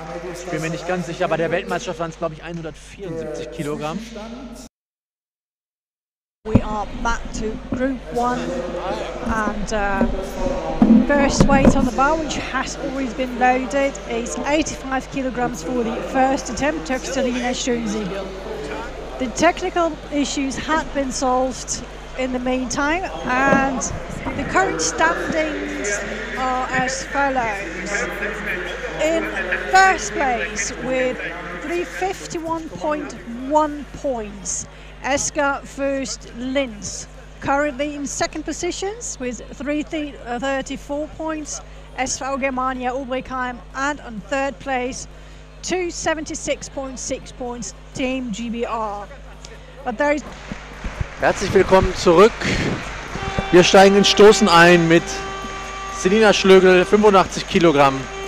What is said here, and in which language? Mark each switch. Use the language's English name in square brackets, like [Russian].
[German] Ich bin mir nicht ganz sicher, bei der Weltmeisterschaft waren es, glaube ich, 174 Kilogramm. [English] We are back to group one and first weight on the bar, which has always been loaded, is 85 kilograms for the first attempt, Turkstalina Schoenzi. The technical issues had been solved in the meantime and the current standings are as follows. In first place with 351.1 points, Eska First Linz, currently in second positions with 334 points, SV Germania Ulbrichheim, and on third place, 276.6 points, Team GBR. But there is. [German] Herzlich willkommen zurück. Wir steigen ins Stoßen ein mit Selina Schlögl, 85 Kilogramm.